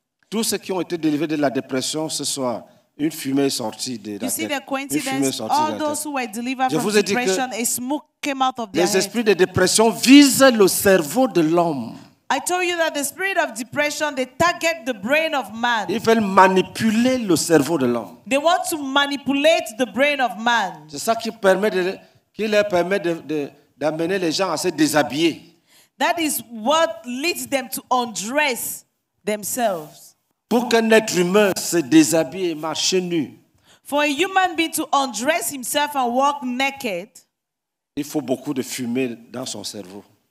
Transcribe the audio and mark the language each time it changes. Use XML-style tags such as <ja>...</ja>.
<fr>Tous ceux qui ont été délivrés de la dépression ce soir, une fumée est sortie de la tête.</fr> <en>You see the coincidence? All those who were delivered from depression, a smoke came out of their head.</en> <fr>Les esprits de dépression visent le cerveau de l'homme.</fr> <en>I told you that the spirit of depression, they target the brain of man.</en> <fr>Ils veulent manipuler le cerveau de l'homme.</fr> <en>They want to manipulate the brain of man.</en> <fr>C'est ça qui permet de, qui leur permet de d'amener les gens à se déshabiller.</fr> <en>That is what leads them to undress themselves.</en> <fr>Pour qu'un être humain se déshabille et marche nu.</fr> <en>For a human being to undress himself and walk naked.</en> <fr>Il faut beaucoup de fumée dans son cerveau.</fr>